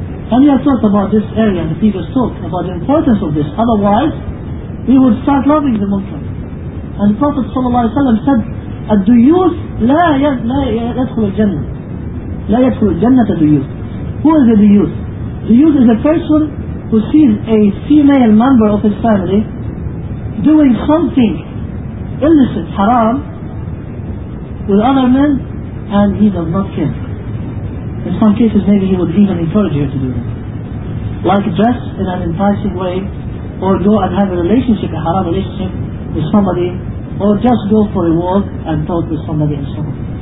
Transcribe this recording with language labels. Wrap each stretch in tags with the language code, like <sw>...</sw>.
<en>And we have talked about this earlier, the previous talk, about the importance of this. Otherwise, we would start loving the Muslim. And the Prophet ﷺ said,</en> <ar>الديوث لا يدخل الجنة. لا يدخل الجنة الديوث.</ar> <en>Who is the ديوث? ديوث is a person who sees a female member of his family doing something illicit, haram, with other men, and he does not care. In some cases, maybe he would even encourage her to do that. Like dress in an enticing way, or go and have a relationship, a haram relationship, with somebody, or just go for a walk and talk with somebody and so on.</en>